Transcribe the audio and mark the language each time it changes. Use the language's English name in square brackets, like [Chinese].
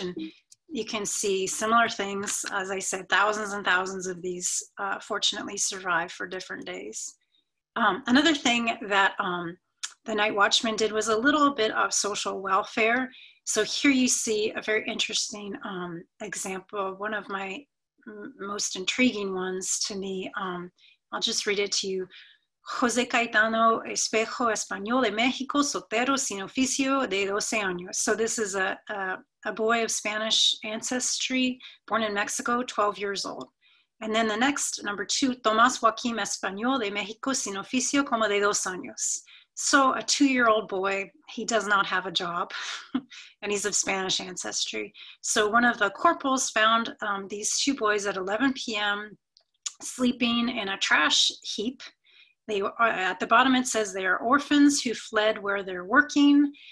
[English] And you can see similar things. As I said, thousands and thousands of these fortunately survived for different days. Another thing that the Night Watchman did was a little bit of social welfare. So here you see a very interesting example, one of my most intriguing ones to me. I'll just read it to you. [Spanish] José Caetano Espejo Español de México, soltero sin oficio de 12 años. [English] So this is a boy of Spanish ancestry, born in Mexico, 12 years old. [Spanish] And then the next, number two, Tomás Joaquín Español de México sin oficio como de 2 años. [English] So a two-year-old boy, he does not have a job, and he's of Spanish ancestry. So one of the corporals found these two boys at 11 p.m. sleeping in a trash heap. They at the bottom, it says they are orphans who fled where they're working.